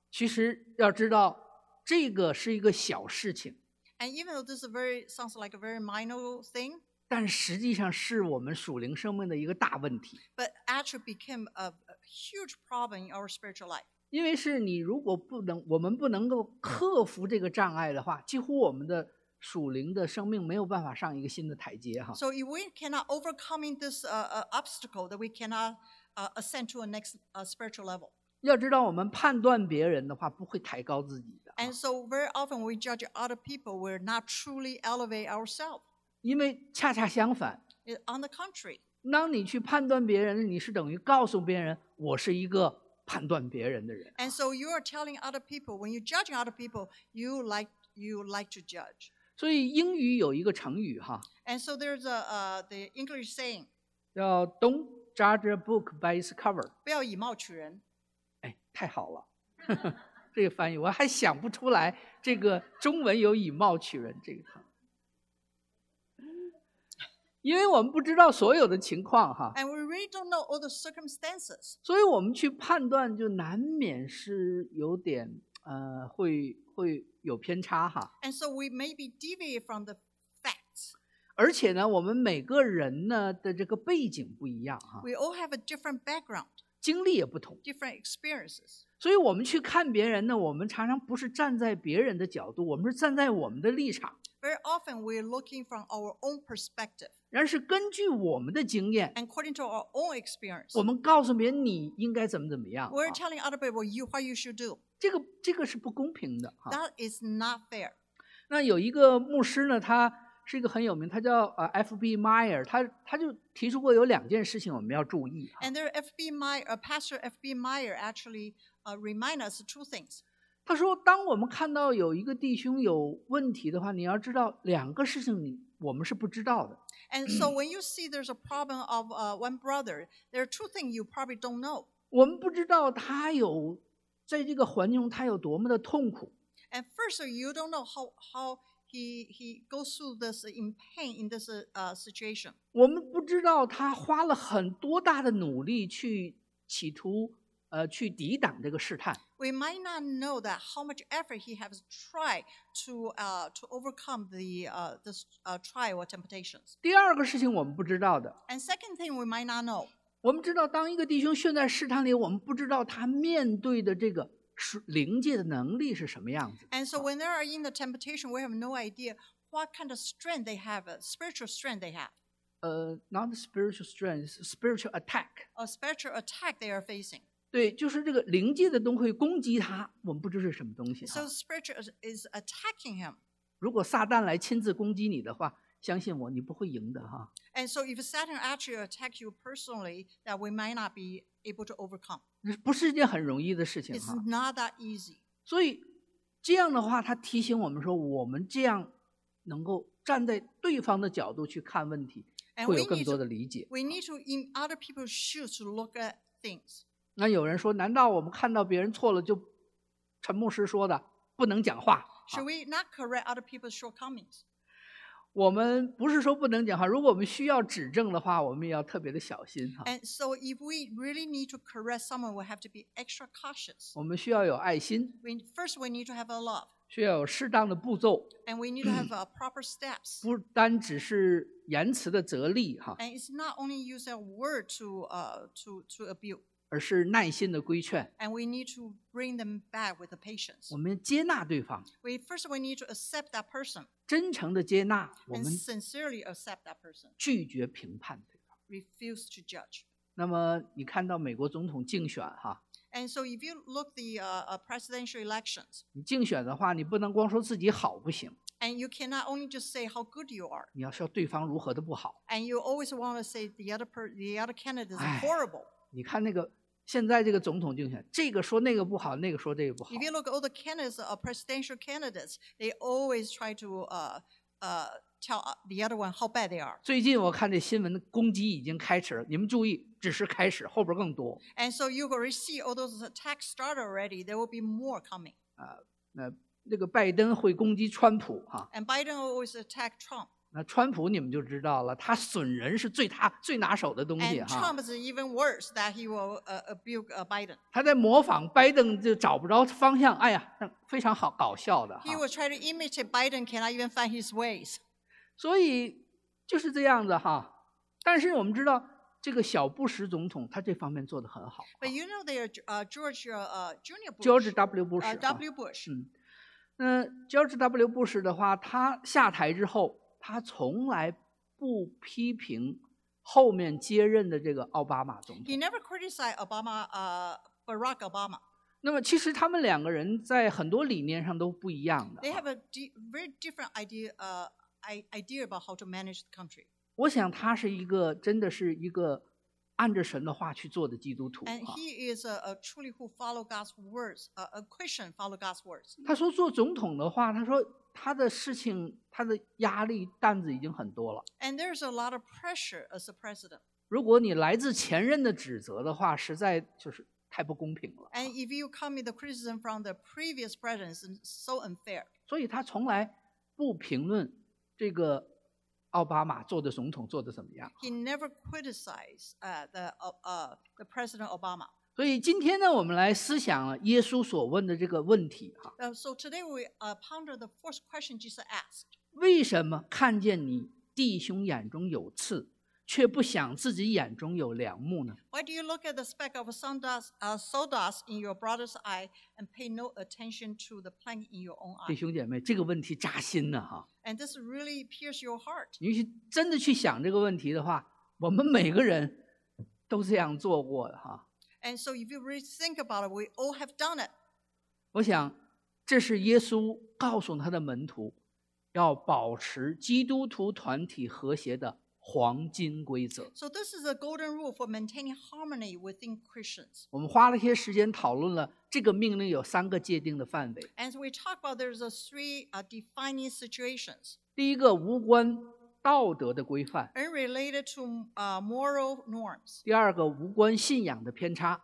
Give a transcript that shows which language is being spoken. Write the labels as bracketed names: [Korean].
[Chinese] 其实要知道这个是一个小事情。 [English] And even though this is sounds like a very minor thing, [Chinese] 但实际上是我们属灵生命的一个大问题。 [English] But actually became a huge problem in our spiritual life. [Chinese] 因为是你如果不能，我们不能够克服这个障碍的话，几乎我们的属灵的生命没有办法上一个新的台阶哈。 [English] So if we cannot overcome this obstacle, that we cannot ascend to a next spiritual level. [Chinese] 要知道我们判断别人的话，不会抬高自己。 [English] And so very often we judge other people, we're not truly elevate ourselves. [Chinese] 因为恰恰相反。 [English] On the contrary. [Chinese] 当你去判断别人，你是等于告诉别人，我是一个判断别人的人。 [English] And so you are telling other people, when you're judging other people, you like to judge. [Chinese] 所以英语有一个成语哈。 [English] And so there's the English saying. [Chinese] 叫 [English] don't judge a book by its cover. [Chinese] 不要以貌取人。哎，太好了。这个翻译我还想不出来，这个中文有以貌取人这个，因为我们不知道所有的情况哈。 [English] And we really don't know all the circumstances. [Chinese] 所以我们去判断就难免是有点会有偏差哈。 [English] And so we may be deviate from the facts. [Chinese] 而且呢，我们每个人呢的这个背景不一样哈。 [English] We all have a different background. [Chinese] 经历也不同 [English] different experiences. [Chinese] 所以我们去看别人呢，我们常常不是站在别人的角度，我们是站在我们的立场。 [English] Very often we're looking from our own perspective. [Chinese] 然而是根据我们的经验 [English] And according to our own experience. [Chinese] 我们告诉别人你应该怎么怎么样。 [English] We're telling other people what you should do. [Chinese] 这个是不公平的。 [English] That is not fair. [Chinese] 那有一个牧师呢，他是一个很有名，他叫F.B. Meyer， 他就提出过有两件事情我们要注意。 [English] And there F.B. Meyer, Pastor F.B. Meyer actually remind us two things. [Chinese] 他说，当我们看到有一个弟兄有问题的话，你要知道两个事情我们是不知道的。 [English] And so when you see there's a problem of one brother, there are two things you probably don't know. [Chinese] 我们不知道他有在这个环境中他有多么的痛苦。 [English] And first, you don't know how. He goes through this in pain in this situation. [Chinese] 我们不知道他花了很多大的努力去企图去抵挡这个试探。 [English] We might not know that how much effort he has tried to overcome this trial or temptations. [Chinese] 第二个事情我们不知道的。 [English] And second thing we might not know. [Chinese] 我们知道当一个弟兄陷在试探里，我们不知道他面对的这个。灵界的能力是什么样子？ [English] And so when they are in the temptation, we have no idea what kind of strength they have, spiritual strength they have. Not spiritual strength, spiritual attack. A spiritual attack they are facing. [Chinese] 对，就是这个灵界的东西攻击他，我们不知道是什么东西。 [English] So spiritual is attacking him. [Chinese] 如果撒旦来亲自攻击你的话，相信我，你不会赢的哈。 [English] And so if Satan actually attack you personally, that we might not be able to overcome. [Chinese] 不是一件很容易的事情。 [English] It's not that easy. [Chinese] 所以这样的话他提醒我们说，我们这样能够站在对方的角度去看问题，会有更多的理解。 [English] We need to in other people's shoes to look at things. [Chinese] 那有人说，难道我们看到别人错了就陈牧师说的不能讲话？ [English] Should we not correct other people's shortcomings? [Chinese] 我们不是说不能讲话，如果我们需要指正的话，我们也要特别的小心。 [English] And so if we really need to correct someone, we have to be extra cautious. [Chinese] 我们需要有爱心。 [English] First, we need to have a love. [Chinese] 需要有适当的步骤。 [English] And we need to have proper steps. [Chinese] 不单只是言辞的责力。 [English] And it's not only use a word to abuse. [Chinese] 而是耐心的规劝。 [English] And we need to bring them back with the patience. [Chinese] 我们接纳对方。 [English] First, we need to accept that person. [Chinese] 真诚的接纳，我们 [English] sincerely accept that person， [Chinese] 拒绝评判对方 [English] ，refuse to judge。 [Chinese] 那么你看到美国总统竞选哈 [English] ？And so if you look the presidential elections， [Chinese] 你竞选的话，你不能光说自己好不行。 [English] And you cannot only just say how good you are。 [Chinese] 你要说对方如何的不好。 [English] And you always want to say the other candidate is horrible。 [Chinese] 你看那个现在这个总统竞选，这个说那个不好，那个说这个不好。 [English] If you look at all the candidates, presidential candidates, they always try to tell the other one how bad they are. [Chinese] 最近我看这新闻的攻击已经开始了，你们注意，只是开始，后边更多。 [English] And so you already see all those attacks start already. There will be more coming. [Chinese] 那个拜登会攻击川普哈。 [English] And Biden always attack Trump. [Chinese] 那川普你们就知道了，他损人是最拿手的东西哈。 [English] And Trump is even worse that he will abuse Biden. [Chinese] 他在模仿拜登就找不着方向，哎呀，非常好搞笑的哈。 [English] He will try to imitate Biden, cannot even find his ways. [Chinese] 所以就是这样子哈。但是我们知道这个小布什总统他这方面做得很好。 [English] But you know they are George Bush. George W. Bush. W. Bush. George W. [Chinese] Bush 的话，他下台之后，他从来不批评后面接任的这个奥巴马总统。 [English] He never criticized Obama, Barack Obama. [Chinese] 那么其实他们两个人在很多理念上都不一样的。 [English] They have a very different idea about how to manage the country. [Chinese] 我想他是一个真的是一个按着神的话去做的基督徒。 [English] And he is a truly who follow God's words, a Christian follow God's words. [Chinese] 他说做总统的话，他说他的事情，他的压力担子已经很多了。 [English] And there's a lot of pressure as a president. [Chinese] 如果你来自前任的指责的话，实在就是太不公平了。 [English] And if you come with the criticism from the previous president, it's so unfair. [Chinese] 所以他从来不评论这个奥巴马做的总统做的怎么样。 [English] He never criticized the President Obama. [Chinese] 所以今天呢，我们来思想了耶稣所问的这个问题哈。 [English] So today we ponder the first question Jesus asked. [Chinese] 为什么看见你弟兄眼中有刺，却不想自己眼中有梁木呢？ [English] Why do you look at the speck of sawdust in your brother's eye and pay no attention to the plank in your own eye? [Chinese] 弟兄姐妹，这个问题扎心呢哈。 [English] And this really pierces your heart. [Chinese] 你去真的去想这个问题的话，我们每个人都这样做过的哈。 [English] And so if you really think about it, we all have done it. [Chinese] 我想这是耶稣告诉他的门徒要保持基督徒团体和谐的黄金规则。 [English] So this is a golden rule for maintaining harmony within Christians. [Chinese] 我们花了些时间讨论了这个命令有三个界定的范围。 [English] As we talk about, there's a three defining situations. [Chinese] 第一个无关道德的规范。 [English] Unrelated to moral norms. [Chinese] 第二个无关信仰的偏差。